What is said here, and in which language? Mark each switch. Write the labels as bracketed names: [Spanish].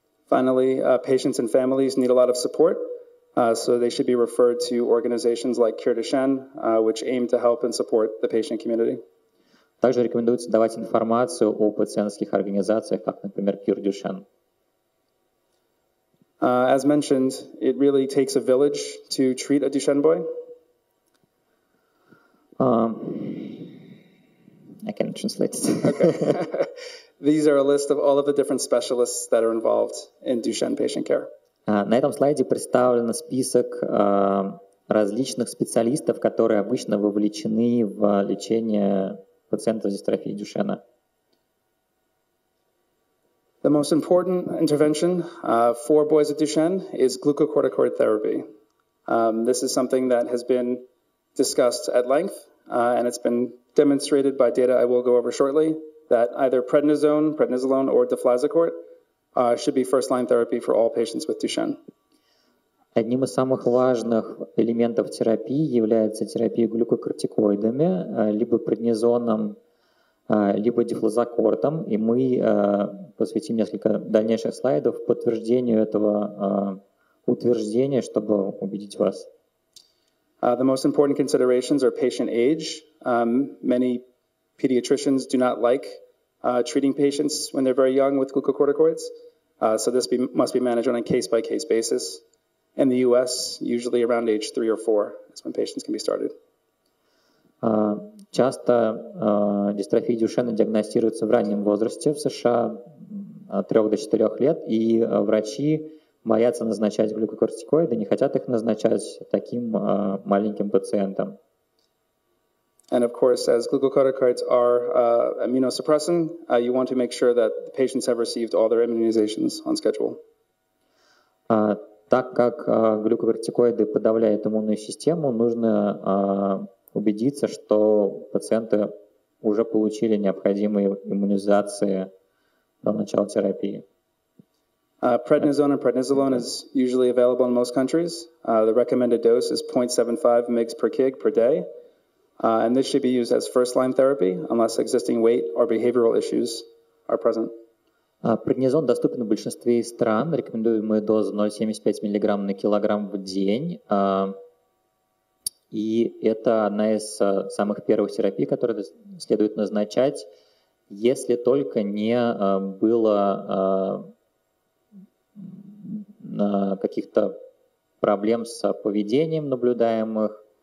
[English] Finally, patients and families need a lot of support. So they should be referred to organizations like Cure Duchenne, which aim to help and support the patient community. [Russian] Также рекомендуется давать информацию о пациентских организациях, как, например, Cure Duchenne. [English] As mentioned, it really takes a village to treat a Duchenne boy. I can translate it. Okay. These are a list of all of the different specialists that are involved in Duchenne patient care. [Russian] На этом слайде представлен список различных специалистов, которые обычно вовлечены в лечение пациентов с дистрофией Дюшенна. [English] The most important intervention for boys with Duchenne is glucocorticoid therapy. This is something that has been discussed at length, and it's been demonstrated by data I will go over shortly, that either prednisolone or deflazacort should be first-line therapy for all patients with Duchenne. [Russian] Одним из самых важных элементов терапии является терапия глюкокортикоидами, либо преднизоном, либо дефлазокортом, и мы посвятим несколько дальнейших слайдов подтверждению этого утверждения, чтобы убедить вас. [English] The most important considerations are patient age. Many pediatricians do not like treating patients when they're very young with glucocorticoids. So this must be managed on a case-by-case basis. In the U.S., usually around age 3 or 4 is when patients can be started. [Russian] Часто дистрофия Дюшенна диагностируется в раннем возрасте в США, от 3 до 4 лет, и врачи боятся назначать глюкокортикоиды, не хотят их назначать таким маленьким пациентам. [English] And of course, as glucocorticoids are immunosuppressant, you want to make sure that the patients have received all their immunizations on schedule. [Russian] Так как глюкокортикоиды подавляют иммунную систему, нужно убедиться, что пациенты уже получили необходимые иммунизации до начала терапии. [English] Prednisone and prednisolone is usually available in most countries. The recommended dose is 0.75 mg per kg per day. And this should be used as first-line therapy unless existing weight or behavioral issues are present. [Russian] Преднизон доступен в большинстве стран. Рекомендуемая доза 0,75 мг на килограмм в день. И это одна из самых первых терапий, которые следует назначать, если только не было каких-то проблем с поведением наблюдаемых.